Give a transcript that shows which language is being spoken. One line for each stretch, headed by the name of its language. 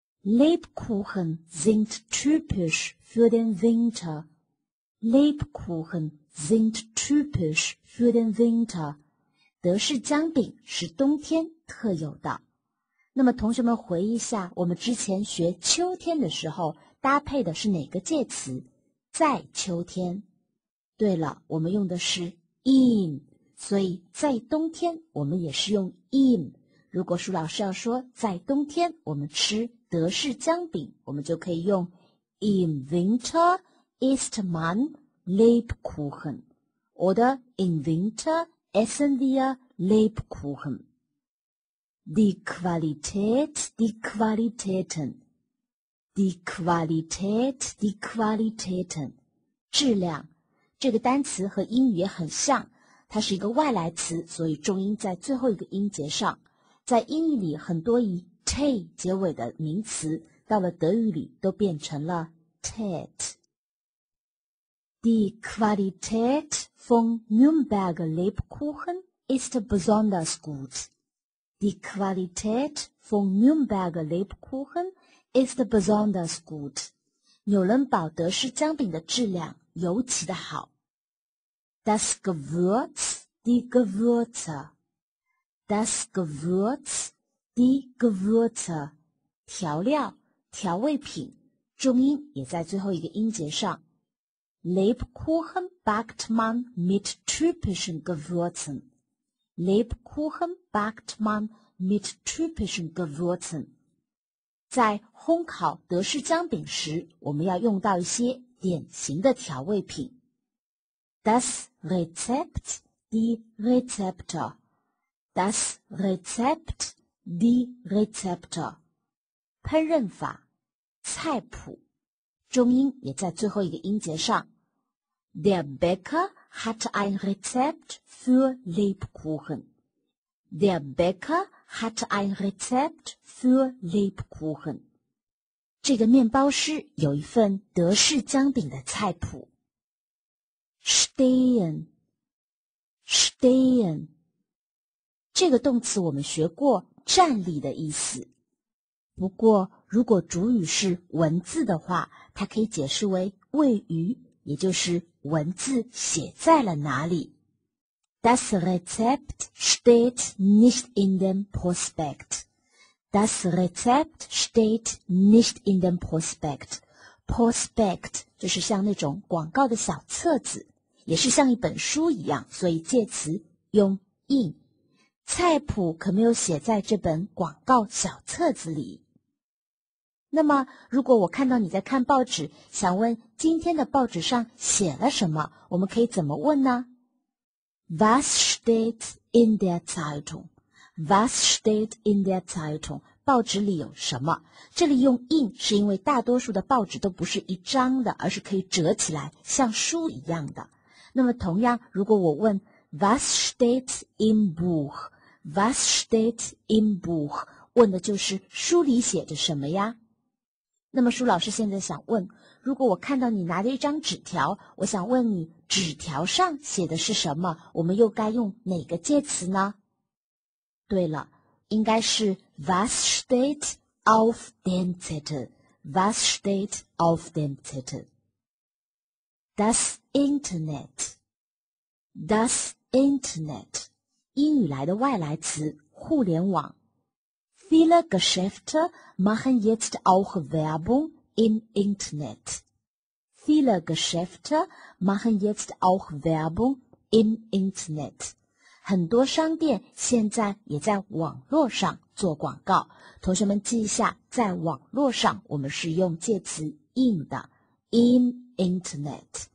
German: Lebkuchen sind typisch für den Winter. Lebkuchen sind typisch für den Winter.
Chinese: 德式姜饼是冬天特有的。那么同学们回忆一下，我们之前学秋天的时候搭配的是哪个介词？在秋天。对了，我们用的是 in， 所以在冬天我们也是用 in。如果舒老师要说在冬天我们吃德式姜饼，我们就可以用
German: In winter isst man Lebkuchen oder In winter essen wir Lebkuchen. Die Qualität, die Qualitäten. Die Qualität, die Qualitäten.
Chinese: 质量，这个单词和英语也很像，它是一个外来词，所以重音在最后一个音节上。在英语里，很多以 te 结尾的名词，到了德语里都变成了 tät。
German: Die Qualität von Nürnberger Lebkuchen ist besonders gut. Die Qualität von Nürnberger Lebkuchen ist besonders gut.
Chinese: 纽伦堡德式姜饼的质量尤其的好。
German: Das Gewürz, die Gewürze. Das Gewürz, die Gewürze,
Chinese: 调料、调味品，重音也在最后一个音节上。
German: Lebkuchen backt man mit typischen Gewürzen. Lebkuchen backt man mit typischen Gewürzen.
Chinese: 在烘烤德式姜饼时，我们要用到一些典型的调味品。
German: Das Rezept, die Rezepte. Das Rezept, die Rezepte.
Chinese: 烹饪法，菜谱，中音也在最后一个音节上。
German: Der Bäcker hat ein Rezept für Lebkuchen. Der Bäcker hat ein Rezept für Lebkuchen.
Chinese: 这个面包师有一份德式姜饼的菜谱。
German: Stehen, stehen.
Chinese: 这个动词我们学过站立的意思，不过如果主语是文字的话，它可以解释为位于，也就是文字写在了哪里。
German: Das Rezept steht nicht in dem Prospekt. Das Rezept steht nicht in dem Prospekt. Prospekt
Chinese: 就是像那种广告的小册子，也是像一本书一样，所以介词用 in。菜谱可没有写在这本广告小册子里。那么如果我看到你在看报纸，想问今天的报纸上写了什么，我们可以怎么问呢？
German: Was steht in der Zeitung? Was steht in der Zeitung?
Chinese: 报纸里有什么？这里用 in 是因为大多数的报纸都不是一张的，而是可以折起来像书一样的。那么同样，如果我问
German: Was steht im Buch? Was steht im Buch?
Chinese: 问的就是书里写着什么呀？那么舒老师现在想问，如果我看到你拿着一张纸条，我想问你纸条上写的是什么，我们又该用哪个介词呢？对了，应该是
German: Was steht auf dem Zettel? Was steht auf dem Zettel? Das Internet. Das Internet,
Chinese: 英语来的外来词，互联网。
German: Viele Geschäfte machen jetzt auch Werbung im Internet. Viele Geschäfte machen jetzt auch Werbung im Internet.
Chinese: 很多商店现在也在网络上做广告。同学们记一下，在网络上我们是用介词 in 的 ，
German: in Internet,